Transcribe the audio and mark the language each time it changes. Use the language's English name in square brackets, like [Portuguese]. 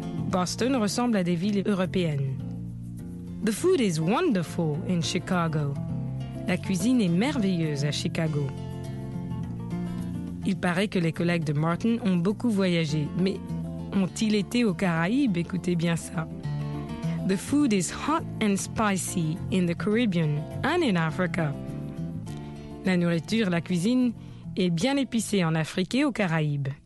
[French] Boston ressemble à des villes européennes. [English] The food is wonderful in Chicago. [French] La cuisine est merveilleuse à Chicago. Il paraît que les collègues de Martin ont beaucoup voyagé, mais ont-ils été aux Caraïbes? Écoutez bien ça. [English] the food is hot and spicy in the Caribbean and in Africa. [French] La nourriture, la cuisine, est bien épicée en Afrique et aux Caraïbes.